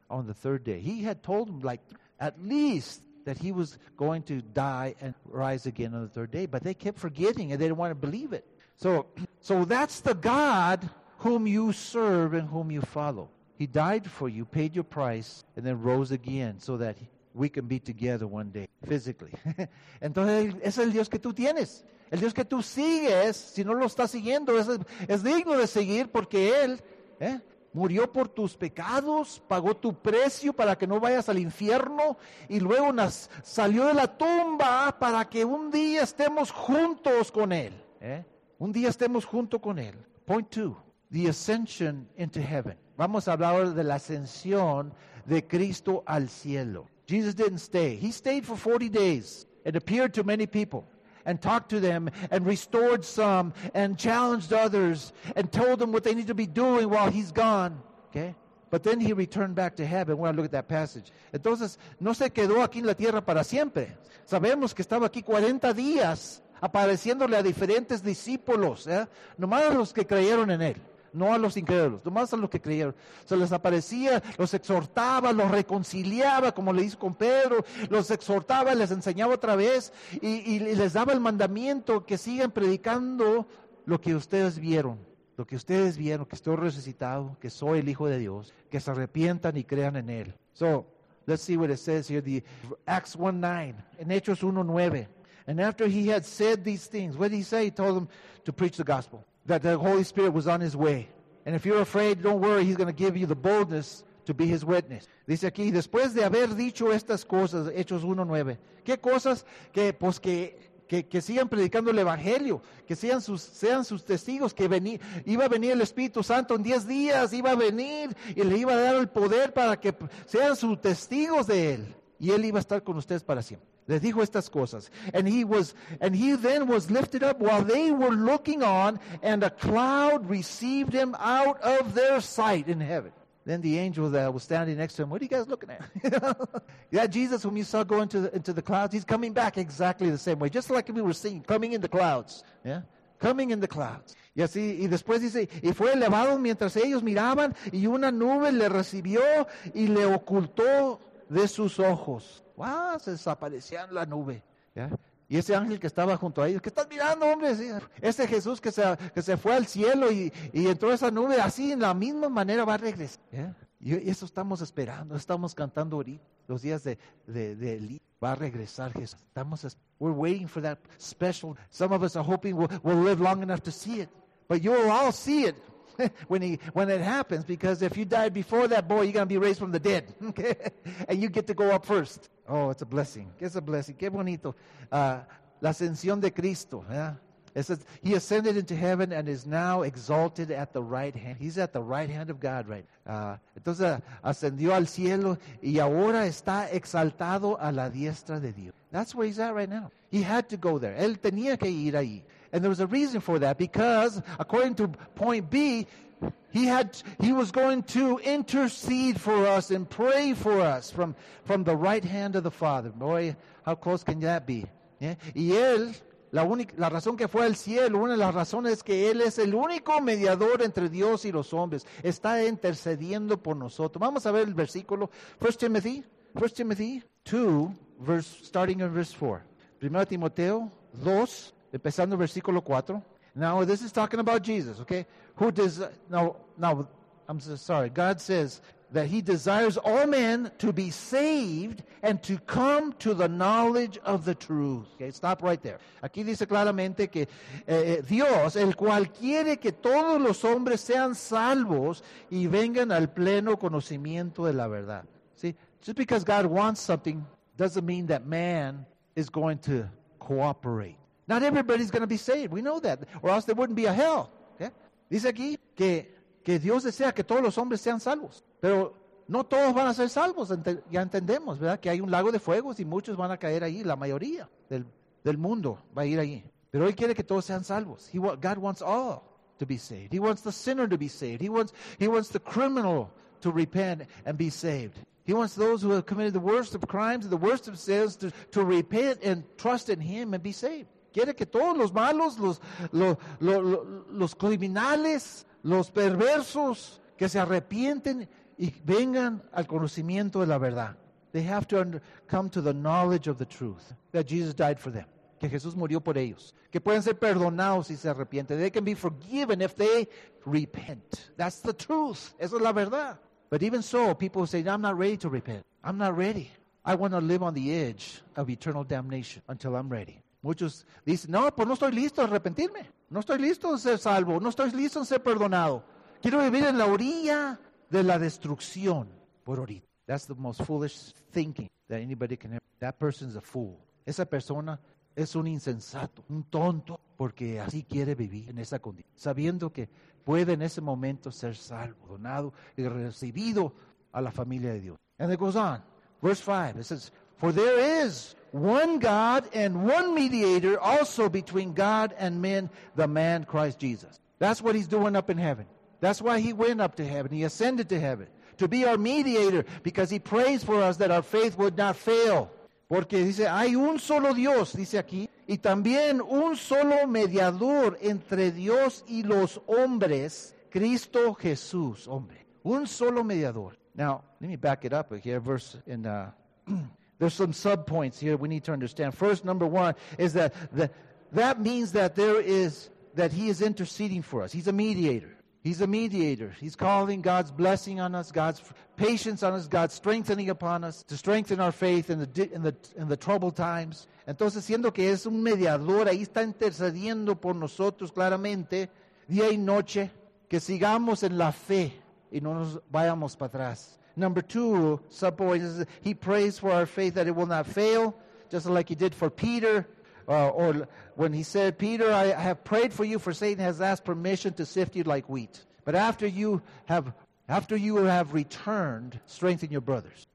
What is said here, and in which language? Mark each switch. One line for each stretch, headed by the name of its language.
English: On the third day, he had told them, like at least that he was going to die and rise again on the third day. But they kept forgetting and they didn't want to believe it. So that's the God whom you serve and whom you follow. He died for you, paid your price, and then rose again so that we can be together one day physically.
Spanish: Entonces es el Dios que tú tienes. El Dios que tú sigues, si no lo estás siguiendo, es digno de seguir porque Él murió por tus pecados, pagó tu precio para que no vayas al infierno y luego salió de la tumba para que un día estemos juntos con Él. Un día estemos juntos con Él.
English: Point two, the ascension into heaven.
Spanish: Vamos a hablar ahora de la ascensión de Cristo al cielo.
English: Jesus didn't stay. He stayed for 40 days and appeared to many people. And talked to them and restored some and challenged others and told them what they need to be doing while he's gone. Okay? But then he returned back to heaven. We're going to look at that passage.
Spanish: Entonces, no se quedó aquí en la tierra para siempre. Sabemos que estaba aquí 40 días apareciéndole a diferentes discípulos. Nomás a los que creyeron en él. No a los incrédulos, nomás a los que creyeron. Se les aparecía, los exhortaba, los reconciliaba, como le hizo con Pedro. Los exhortaba, les enseñaba otra vez y les daba el mandamiento que sigan predicando lo que ustedes vieron. Lo que ustedes vieron, que estoy resucitado, que soy el Hijo de Dios. Que se arrepientan y crean en Él.
English: So, let's see what it says here. Acts 1:9,
Spanish: en Hechos 1:9.
English: And after he had said these things, what did he say? He told them to preach the gospel. That the Holy Spirit was on his way. And if you're afraid, don't worry, he's going to give you the boldness to be his witness.
Spanish: Dice aquí, después de haber dicho estas cosas, Hechos 1:9. ¿Qué cosas? Que sigan predicando el Evangelio, que sean sus testigos, que iba a venir el Espíritu Santo en 10 días, iba a venir y le iba a dar el poder para que sean sus testigos de él. Y él iba a estar con ustedes para siempre. Les dijo estas cosas.
English: And he then was lifted up while they were looking on, and a cloud received him out of their sight in heaven. Then the angel that was standing next to him, what are you guys looking at? That Jesus whom you saw go into the clouds, he's coming back exactly the same way, just like we were seeing, coming in the clouds. Yeah? Coming in the clouds.
Spanish: Y así, y después dice, y fue elevado mientras ellos miraban, y una nube le recibió y le ocultó de sus ojos. Wow, se desaparecía en la nube. Yeah. Y ese ángel que estaba junto a ellos, ¿qué estás mirando, hombre? Ese Jesús que se fue al cielo y entró a esa nube, así en la misma manera va a regresar. Yeah. Y eso estamos esperando, estamos cantando ahorita, los días de Elías. Va a regresar Jesús.
English: We're waiting for that special. Some of us are hoping we'll live long enough to see it. But you will all see it. When it happens, because if you died before that boy, you're going to be raised from the dead, okay? And you get to go up first. Oh, it's a blessing. It's a blessing.
Spanish: Qué bonito. La ascensión de Cristo. Yeah?
English: It says, he ascended into heaven and is now exalted at the right hand. He's at the right hand of God, right?
Spanish: Entonces, ascendió al cielo y ahora está exaltado a la diestra de Dios.
English: That's where he's at right now. He had to go there.
Spanish: Él tenía que ir ahí.
English: And there was a reason for that, because according to point B, he was going to intercede for us and pray for us from the right hand of the Father. Boy, how close can that be? Yeah.
Spanish: Y él, la razón que fue al cielo, una de las razones es que él es el único mediador entre Dios y los hombres. Está intercediendo por nosotros. Vamos a ver el versículo.
English: First Timothy 2, starting in verse 4.
Spanish: Primero Timoteo 2. Empezando versículo 4.
English: Now, this is talking about Jesus, okay? God says that he desires all men to be saved and to come to the knowledge of the truth. Okay, stop right there.
Spanish: Aquí dice claramente que Dios, el cual quiere que todos los hombres sean salvos y vengan al pleno conocimiento de la verdad.
English: See, just because God wants something doesn't mean that man is going to cooperate. Not everybody's going to be saved. We know that. Or else there wouldn't be a hell. Okay?
Spanish: Dice aquí que Dios desea que todos los hombres sean salvos. Pero no todos van a ser salvos. Ya entendemos, ¿verdad? Que hay un lago de fuegos y muchos van a caer ahí. La mayoría del mundo va a ir ahí. Pero Él quiere que todos sean salvos.
English: God wants all to be saved. He wants the sinner to be saved. He wants the criminal to repent and be saved. He wants those who have committed the worst of crimes, the worst of sins, to repent and trust in Him and be saved.
Spanish: Quiere que todos los malos, los criminales, los perversos, que se arrepienten y vengan al conocimiento de la verdad.
English: They have to come to the knowledge of the truth, that Jesus died for them.
Spanish: Que Jesús murió por ellos. Que pueden ser perdonados si se arrepienten.
English: They can be forgiven if they repent. That's the truth.
Spanish: Esa es la verdad.
English: But even so, people say, I'm not ready to repent. I'm not ready. I want to live on the edge of eternal damnation until I'm ready.
Spanish: Muchos dicen, no, pues no estoy listo a arrepentirme. No estoy listo a ser salvo. No estoy listo a ser perdonado. Quiero vivir en la orilla de la destrucción por ahorita.
English: That's the most foolish thinking that anybody can ever. That person is a fool.
Spanish: Esa persona es un insensato, un tonto, porque así quiere vivir en esa condición, sabiendo que puede en ese momento ser salvo, donado y recibido a la familia de Dios.
English: And it goes on, verse 5, it says, for there is one God and one mediator also between God and men, the man Christ Jesus. That's what he's doing up in heaven. That's why he went up to heaven, he ascended to heaven, to be our mediator, because he prays for us that our faith would not fail.
Spanish: Porque dice, hay un solo Dios, dice aquí, y también un solo mediador entre Dios y los hombres, Cristo Jesús, hombre. Un solo mediador.
English: Now, let me back it up here, there's some sub-points here we need to understand. First, number one, is that that means that that he is interceding for us. He's a mediator. He's calling God's blessing on us, God's patience on us, God's strengthening upon us to strengthen our faith in the troubled times.
Spanish: Entonces, siendo que es un mediador, ahí está intercediendo por nosotros claramente, día y noche, que sigamos en la fe y no nos vayamos para atrás.
English: Number two, sub-point is he prays for our faith that it will not fail, just like he did for Peter. Or when he said, Peter, I have prayed for you, for Satan has asked permission to sift you like wheat. But after you have returned, strengthen your brothers.